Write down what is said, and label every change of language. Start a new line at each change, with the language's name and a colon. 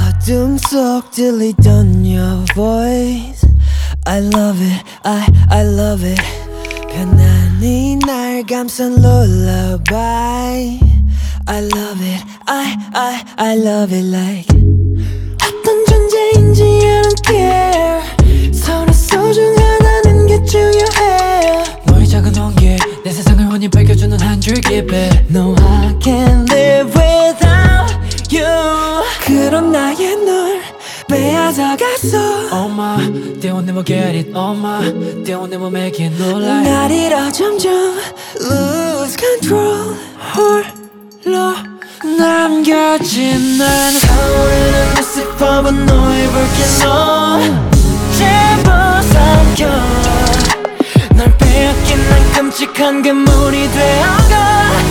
Korean: 등 속 들리던
English: your voice. I love it, I love it.
Korean: 편안히 날 감싼
English: lullaby. I love it, I love it like.
Korean: 어떤 존재인지
English: I don't care.
Korean: 서로 소중하다는 게 중요해. 너의 작은 온기 내 세상을 훤히 밝혀주는 한 줄기 빛.
English: No, I can't live without you.
Korean: 그런 나의 널 빼앗아갔어.
English: Oh my, they will never get it. Oh my, they will never make it. No lie.
Korean: 날 잃어 점점
English: lose control.
Korean: 홀로 남겨진 난 타오르는 모습 봐봐 너의 볼게노. 제발 삼켜 널 빼앗긴 난 끔찍한 괴물이 되어가.